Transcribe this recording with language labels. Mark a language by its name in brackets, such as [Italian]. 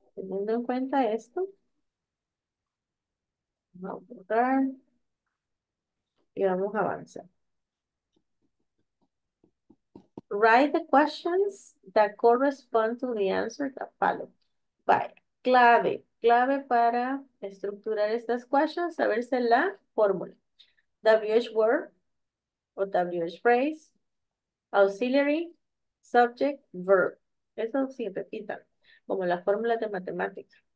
[Spanish] Teniendo en cuenta esto, vamos a borrar y vamos a avanzar. [English] Write the questions that correspond to the answer that follow. [Spanish] Bye. Clave. Clave para estructurar estas questions, saberse la fórmula. [English] WH word o WH phrase, auxiliary, subject, verb. [Spanish] Eso sí, repitan, como la fórmula de matemática.